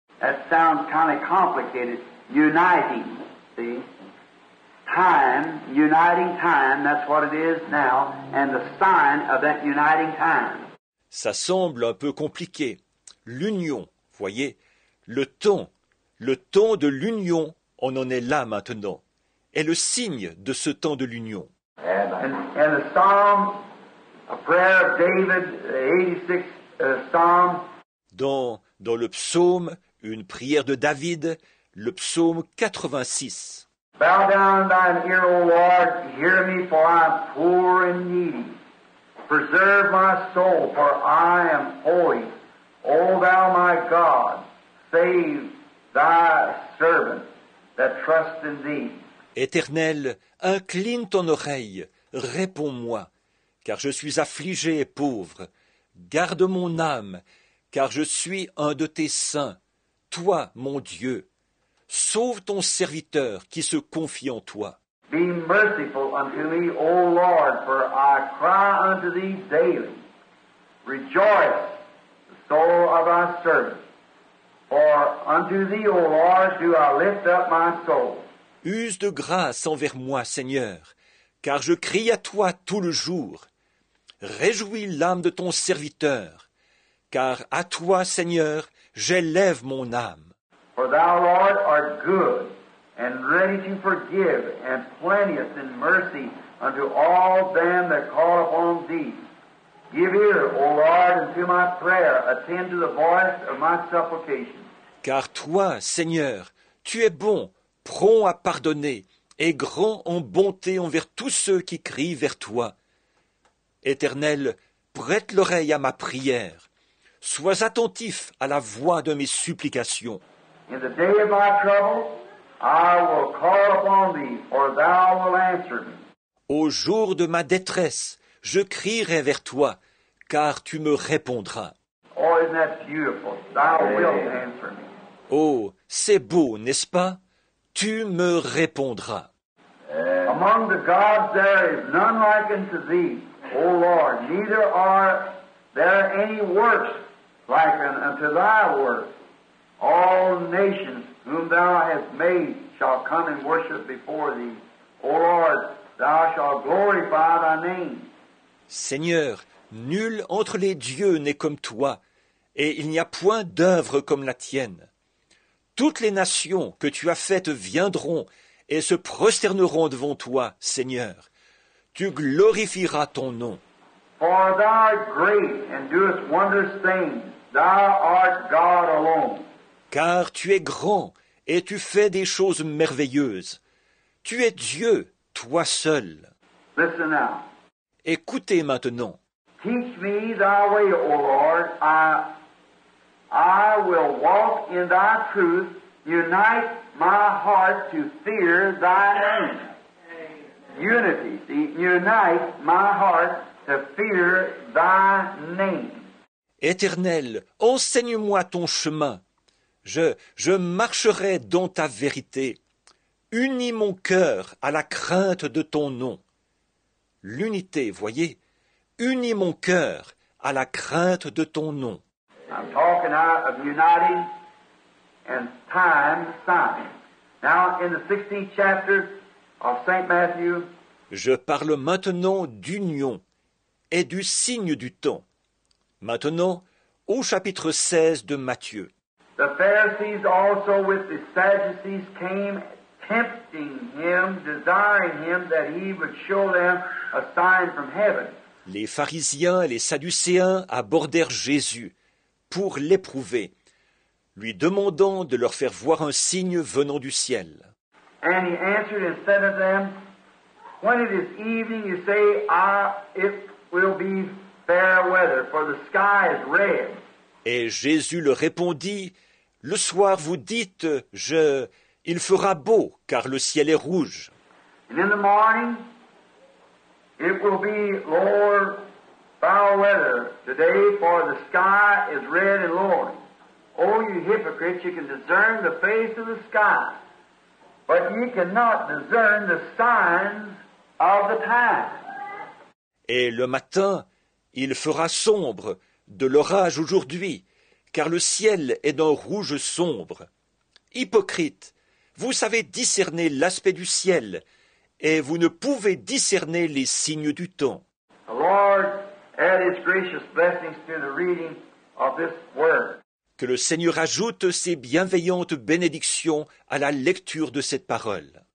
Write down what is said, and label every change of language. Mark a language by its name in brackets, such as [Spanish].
[English] That sounds kind of complicated. Uniting, see? Time, uniting time, that's what it is now, and the sign of that uniting time. [French] Ça semble un peu compliqué. L'union, voyez, le temps de l'union, on en est là maintenant, est le signe de ce temps de l'union. [English] And the psalm, a prayer of David, the 86th psalm. [French] Dans le psaume, une prière de David, le psaume 86. [English] Bow down thine ear, O Lord, hear me, for I am poor and needy. Preserve my soul, for I am holy. O thou my God, save thy servant that trusts in thee. [French] Éternel, incline ton oreille, réponds-moi, car je suis affligé et pauvre. Garde mon âme, car je suis un de tes saints, toi mon Dieu. Sauve ton serviteur qui se confie en toi. [English] Be merciful unto me, O Lord, for I cry unto thee daily. Rejoice, the soul of thy servant, for unto thee, O Lord, do I lift up my soul. [French] Use de grâce envers moi, Seigneur, car je crie à toi tout le jour. Réjouis l'âme de ton serviteur, car à toi, Seigneur, j'élève mon âme. [English] For thou, Lord, art good. And ready to forgive, and plenteous in mercy unto all them that call upon thee. Give ear, O Lord, unto my prayer, attend to the voice of my supplication. [French] Car toi, Seigneur, tu es bon, prompt à pardonner, et grand en bonté envers tous ceux qui crient vers toi. Éternel, prête l'oreille à ma prière. Sois attentif à la voix de mes supplications. [English] In the day of my trouble, I will call upon thee, for thou wilt answer me. [French] Au jour de ma détresse, je crierai vers toi, car tu me répondras. [English] Oh, isn't that beautiful? Thou wilt answer me. [French] Oh, c'est beau, n'est-ce pas? Tu me répondras. [English] Among the gods there is none like unto thee, O Lord. Neither are there any works like unto thy work. All nations whom thou hast made shall come and worship before thee. O Lord, thou shalt glorify thy name. [French] Seigneur, nul entre les dieux n'est comme toi, et il n'y a point d'œuvre comme la tienne. Toutes les nations que tu as faites viendront et se prosterneront devant toi, Seigneur. Tu glorifieras ton nom. [English] For thou art great and doest wondrous things. Thou art God alone. [French] Car tu es grand et tu fais des choses merveilleuses. Tu es Dieu, toi seul. [English] Listen now. [French] Écoutez maintenant. [English] Teach me thy way, O Lord. I will walk in thy truth. Unite my heart to fear thy name. Unity. Unite my heart to fear thy name. [French] Éternel, enseigne-moi ton chemin. Je marcherai dans ta vérité. Unis mon cœur à la crainte de ton nom. L'unité, voyez, unis mon cœur à la crainte de ton nom. [English] I'm talking out of uniting and time sign. Now in the 16th chapter of Saint Matthew. [French] Je parle maintenant d'union et du signe du temps. Maintenant, au chapitre 16 de Matthieu. [English] The Pharisees also with the Sadducees came tempting him, desiring him that he would show them a sign from heaven. [French] Les pharisiens et les sadducéens abordèrent Jésus pour l'éprouver, lui demandant de leur faire voir un signe venant du ciel. [English] And he answered and said to them, when it is evening, you say, it will be fair weather, for the sky is red. [French] Et Jésus leur répondit, le soir vous dites, il fera beau, car le ciel est rouge. [English] And in the morning, it will be lower, foul weather today, for the sky is red and lowering. Oh, you hypocrites, you can discern the face of the sky, but ye cannot discern the signs of the time. [French] Et le matin, il fera sombre de l'orage aujourd'hui, car le ciel est d'un rouge sombre. Hypocrite, vous savez discerner l'aspect du ciel, et vous ne pouvez discerner les signes du temps. [English] The Lord add his gracious blessings to the reading of this word. [French] Que le Seigneur ajoute ses bienveillantes bénédictions à la lecture de cette parole.